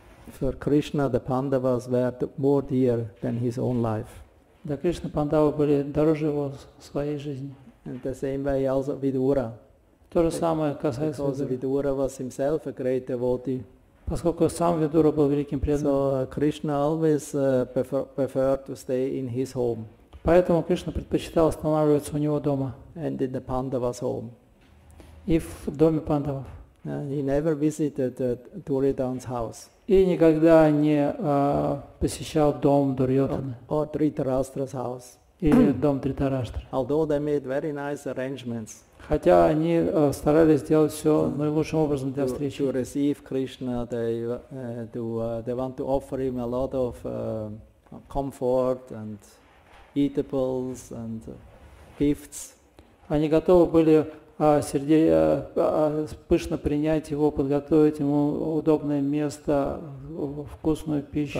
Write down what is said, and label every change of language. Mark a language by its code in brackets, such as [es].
[en] For Krishna, the Pandavas were more dear than his own life. [ru] Для Кришны Пандавы были дороже его своей жизни. [en] And the same way also Vidura. [ru] То же самое касается [en] Vidura. Because Vidura was himself a great devotee. [ru] Поскольку сам Видура был великим преданным. [en] So Krishna always preferred to stay in his home. [ru] Поэтому Кришна предпочитал останавливаться у него дома. [en] And in the Pandavas' home. [ru] И в доме Пандавов. [en] He never visited Duryodhana's house. [ru] И никогда не посещал дом Дурьотхана. [en] Or Dhritarashtra's house. [ru] Или дом Дхритараштры. [en] Although they made very nice arrangements. [ru] Хотя они старались сделать все наилучшим образом для встречи. [en] To receive Krishna, they want to offer him a lot of comfort and eatables and gifts. [ru] Они готовы были пышно принять его, подготовить ему удобное место, вкусную пищу.